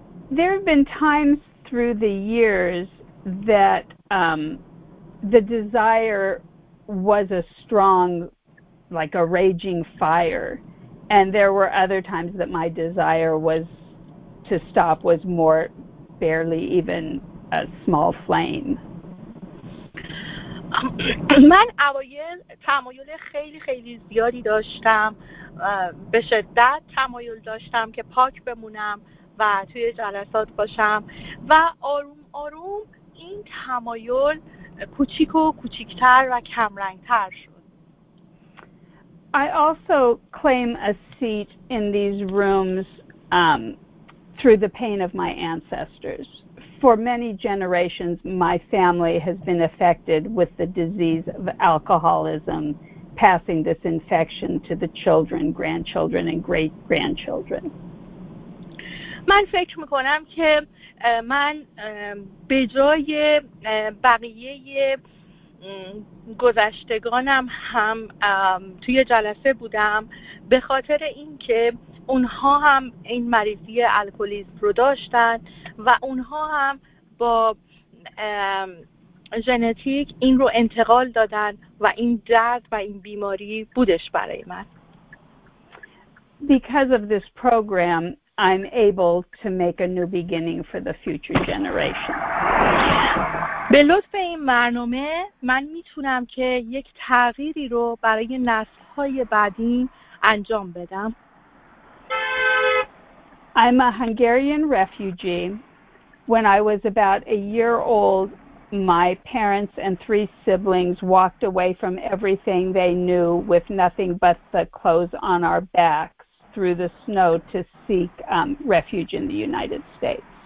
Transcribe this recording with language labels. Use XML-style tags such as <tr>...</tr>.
<en>There have been times through the years that the desire was a strong, like a raging fire, and there were other times that my desire was to stop was more barely even a small flame.</en> <fa>من اوایل تمایل خیلی خیلی زیادی داشتم، به شدت تمایل داشتم که پاک بمونم و توی جلسات باشم و آروم آروم این تمایل کوچیک و کوچیکتر و کمرنگتر شد.</fa> <en>I also claim a seat in these rooms through the pain of my ancestors. For many generations, my family has been affected with the disease of alcoholism, passing this infection to the children, grandchildren, and great-grandchildren.</en> <fa>من فکر میکنم که من به جای بقیه گذشتگانم هم توی جلسه بودم به خاطر اینکه اونها هم این مریضی الکلیسم رو داشتن و اونها هم با ژنتیک این رو انتقال دادن و این درد و این بیماری بودش برای من.</fa> <en>Because of this program, I'm able to make a new beginning for the future generation.</en> <fa>به لطف این برنامه من میتونم که یک تغییری رو برای نسل‌های بعدی انجام بدم.</fa> <en>I'm a Hungarian refugee. When I was about a year old, my parents and three siblings walked away from everything they knew with nothing but the clothes on our back through the snow to seek refuge in the United States.</en>